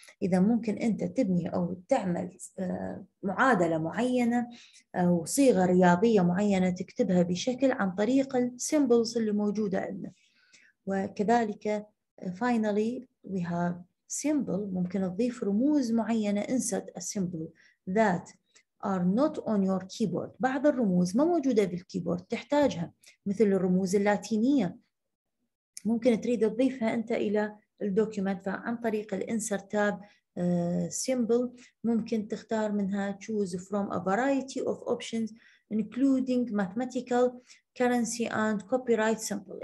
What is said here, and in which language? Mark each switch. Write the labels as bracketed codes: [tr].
[ar] إذا ممكن أنت تبني أو تعمل معادلة معينة أو صيغة رياضية معينة تكتبها بشكل عن طريق symbols اللي موجودة عندنا. وكذلك [en] finally we have symbol، [ar] ممكن تضيف رموز معينة [en] insert a symbol that are not on your keyboard. [ar] بعض الرموز ما موجودة بالكيبورد تحتاجها، مثل الرموز اللاتينية ممكن تريد تضيفها أنت إلى الدوكيومنت، فعن طريق الانسر تاب symbol ممكن تختار منها [en] choose from a variety of options including mathematical currency and copyright symbol.